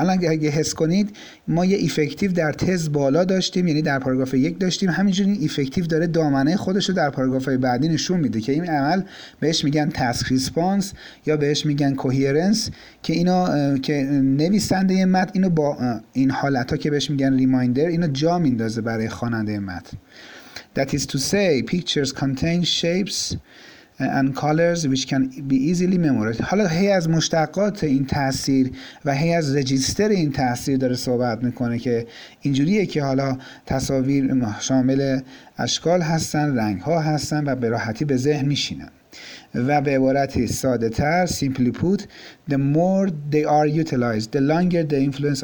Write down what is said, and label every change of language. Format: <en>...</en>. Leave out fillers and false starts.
<fa>الان اگه حس کنید ما یه افکتیو در تز بالا داشتیم، یعنی در پاراگراف 1 داشتیم، همینجوری افکتیو داره دامنه خودش رو در پاراگرافهای بعدی نشون میده که این عمل بهش میگن تاسک ریسپانس یا بهش میگن کوهرنس، که اینو که نویسنده متن اینو با این حالتا که بهش میگن ریمایندر اینو جا میندازه برای خواننده متن.</fa> <en>That is to say pictures contain shapes and colors which can be easily memorized.</en> <fa>حالا هی از مشتقات این تأثیر و هی از رجیستر این تأثیر داره صحبت میکنه که اینجوریه که حالا تصاویر شامل اشکال هستن، رنگ ها هستن و به راحتی به ذهن میشینن و به عبارت ساده تر</fa> <en>simply put the more they are utilized the longer the influence on.</en>